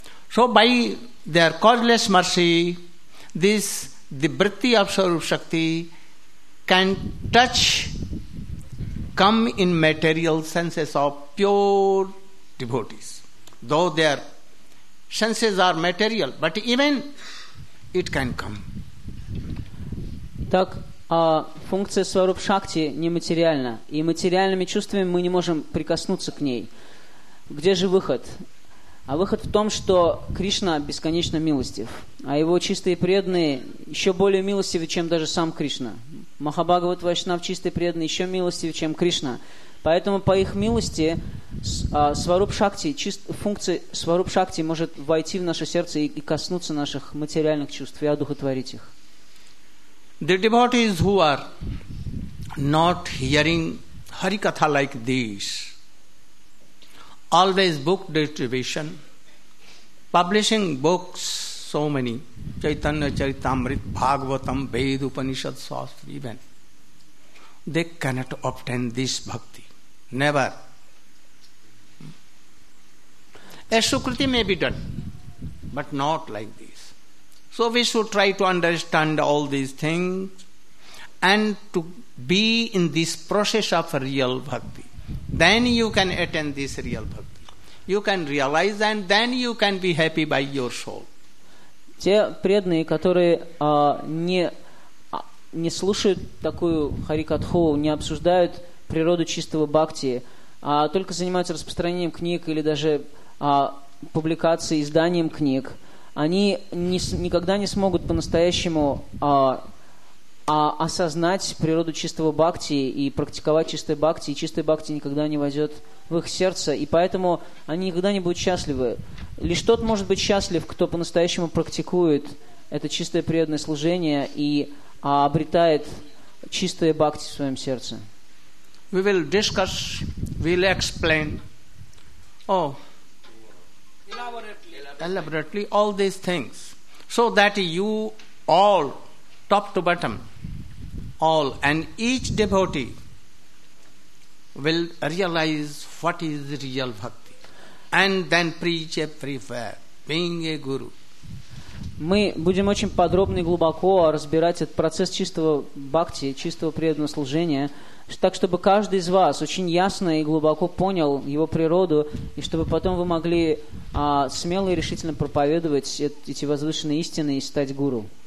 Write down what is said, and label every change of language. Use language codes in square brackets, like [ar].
[en] So by their causeless mercy, this the vritti of Swarup Shakti can touch, come in material senses of pure devotees. Though their senses are material, but even it can come. [ru] Так, функция Swarup Shakti нематериальна, и материальными чувствами мы не можем прикоснуться к ней. Где же выход? А выход в том, что Кришна бесконечно милостив, а его чистые преданные еще более милостивы, чем даже сам Кришна. Махабхагават Вайшнав, чистый преданный, еще милостивы, чем Кришна. Поэтому по их милости функция Сваруп Шакти может войти в наше сердце и коснуться наших материальных чувств и одухотворить их. [en] The devotees who are not hearing Harikatha like this, always book distribution, publishing books, so many, Chaitanya Charitamrita, Bhagavatam, Ved, Upanishad, Shastra, even, they cannot obtain this bhakti. Never. A sukriti may be done, but not like this. So we should try to understand all these things and to be in this process of real bhakti. Then you can attain this real bhakti. You can realize and then you can be happy by your soul. [ru] Те преданные, которые не слушают такую харикатху, не обсуждают природу чистого бхакти, а только занимаются распространением книг или даже публикацией, изданием книг, они никогда не смогут по-настоящему осознать природу чистого бхакти и практиковать чистой бхакти, и чистой бхакти никогда не войдет в их сердце, и поэтому они никогда не будут счастливы. Лишь тот может быть счастлив, кто по-настоящему практикует это чистое преданное служение и обретает чистое бхакти в своем сердце. [en] We will discuss, we will explain. Oh. Elaborately, all these things. So that you all, top to bottom, all and each devotee will realize what is real bhakti and then preach everywhere, being a guru. [ru] Мы будем очень подробно и глубоко разбирать этот процесс чистого бхакти, чистого преданного служения, так чтобы каждый из вас очень ясно и глубоко понял его природу, и чтобы потом вы могли смело и решительно проповедовать эти возвышенные истины и стать гуру.